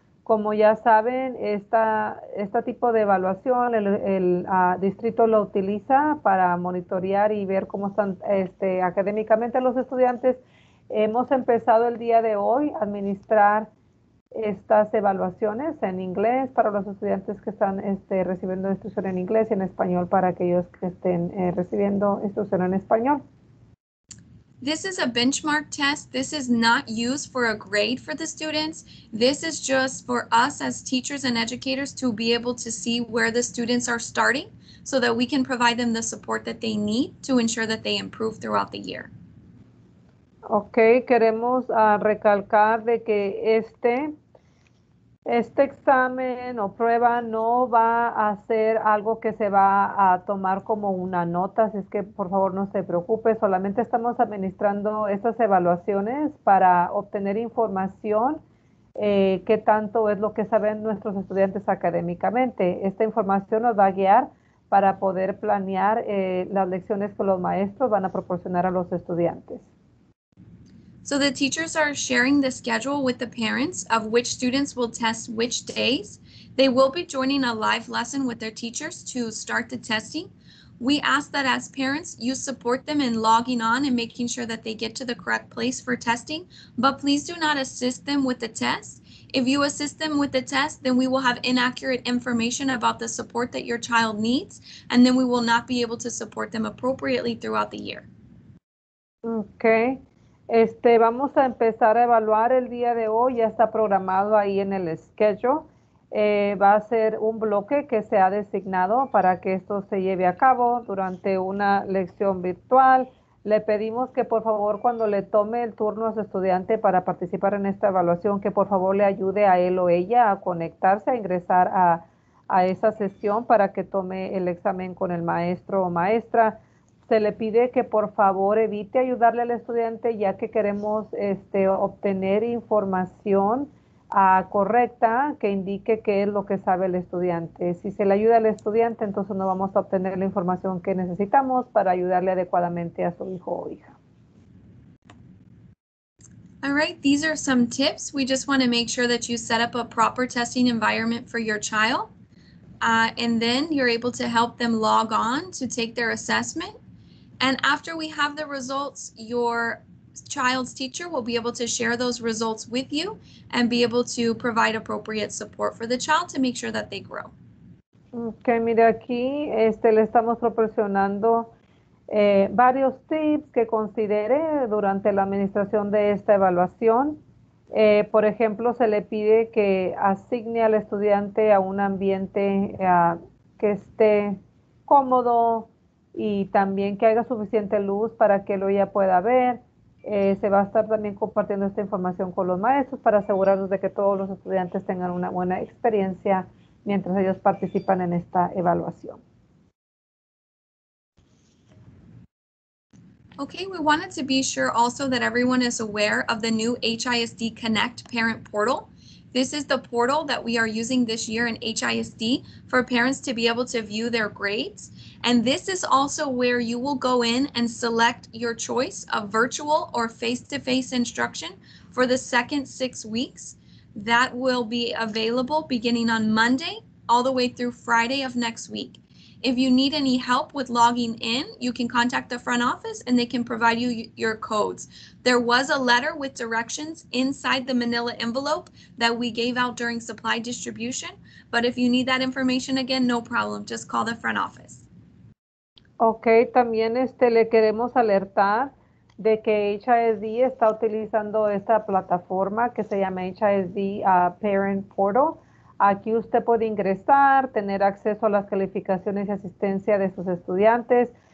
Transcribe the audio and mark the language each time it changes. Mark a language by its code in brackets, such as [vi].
[es] Como ya saben, este tipo de evaluación el distrito lo utiliza para monitorear y ver cómo están académicamente los estudiantes. Hemos empezado el día de hoy a administrar estas evaluaciones en inglés para los estudiantes que están recibiendo instrucción en inglés y en español para aquellos que estén recibiendo instrucción en español. [en] This is a benchmark test. This is not used for a grade for the students. This is just for us as teachers and educators to be able to see where the students are starting so that we can provide them the support that they need to ensure that they improve throughout the year. [es] Okay, queremos recalcar de que este examen o prueba no va a ser algo que se va a tomar como una nota, así es que por favor no se preocupe, solamente estamos administrando estas evaluaciones para obtener información qué tanto es lo que saben nuestros estudiantes académicamente. Esta información nos va a guiar para poder planear las lecciones que los maestros van a proporcionar a los estudiantes. [en] So the teachers are sharing the schedule with the parents of which students will test which days. They will be joining a live lesson with their teachers to start the testing. We ask that as parents, you support them in logging on and making sure that they get to the correct place for testing, but please do not assist them with the test. If you assist them with the test, then we will have inaccurate information about the support that your child needs, and then we will not be able to support them appropriately throughout the year. Okay. [es] Vamos a empezar a evaluar el día de hoy, ya está programado ahí en el schedule. Va a ser un bloque que se ha designado para que esto se lleve a cabo durante una lección virtual. Le pedimos que por favor cuando le tome el turno a su estudiante para participar en esta evaluación, que por favor le ayude a él o ella a conectarse, a ingresar a esa sesión para que tome el examen con el maestro o maestra. Se le pide que por favor evite ayudarle al estudiante ya que queremos obtener información correcta que indique qué es lo que sabe el estudiante. Si se le ayuda al estudiante, entonces no vamos a obtener la información que necesitamos para ayudarle adecuadamente a su hijo o hija. [en] All right, these are some tips. We just want to make sure that you set up a proper testing environment for your child. And then you're able to help them log on to take their assessment. And after we have the results, your child's teacher will be able to share those results with you and be able to provide appropriate support for the child to make sure that they grow. [es] Okay, mira aquí, le estamos proporcionando varios tips que considere durante la administración de esta evaluación. Por ejemplo, se le pide que asigne al estudiante a un ambiente que esté cómodo y también que haya suficiente luz para que lo ya pueda ver. Se va a estar también compartiendo esta información con los maestros para asegurarnos de que todos los estudiantes tengan una buena experiencia mientras ellos participan en esta evaluación. [en] Okay, we wanted to be sure also that everyone is aware of the new HISD Connect parent portal. This is the portal that we are using this year in HISD for parents to be able to view their grades. And this is also where you will go in and select your choice of virtual or face-to-face instruction for the second 6 weeks. That will be available beginning on Monday all the way through Friday of next week. If you need any help with logging in, you can contact the front office and they can provide you your codes. There was a letter with directions inside the manila envelope that we gave out during supply distribution, but if you need that information again, no problem, just call the front office. [es] Okay, también le queremos alertar de que HISD está utilizando esta plataforma que se llama HISD Parent Portal. Aquí usted puede ingresar, tener acceso a las calificaciones y asistencia de sus estudiantes.